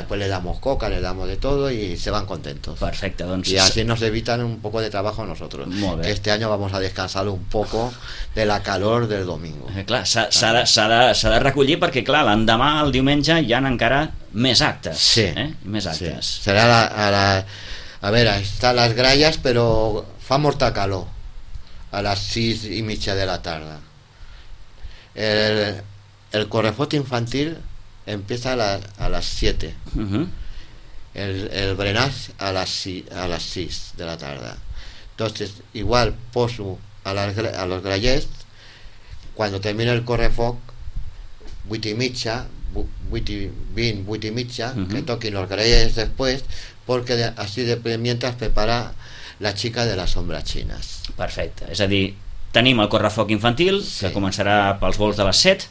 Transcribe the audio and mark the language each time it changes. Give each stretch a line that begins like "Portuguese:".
Spanish: Después le damos coca, le damos de todo y se van contentos.
Catalan: Perfecto, doncs...
Spanish: Y así nos evitan un poco de trabajo a nosotros.
Catalan: Molt bé.
Spanish: Que este año vamos a descansar un poco de la calor del domingo.
Catalan: Clar, s'ha de recollir perquè, clar, l'endemà, el diumenge, hi han encara més actes. Sí. Més actes. Sí. Serà a veure, estan les gralles, però fa molta calor a les 6:30 de la tarda. El correfot infantil
Spanish: empieza a las 7. Uh-huh. El Brenas a las 6 de la tarde. Entonces, igual, poso a los Grallets, cuando termine el correfoc, 8 y mitja, 8 y mitja, uh-huh, que toquen los Grallets después, porque así de mientras prepara la chica de las sombras chinas.
Catalan: Perfecte. És a dir, tenim el correfoc infantil, sí, que començarà pels vols de les 7,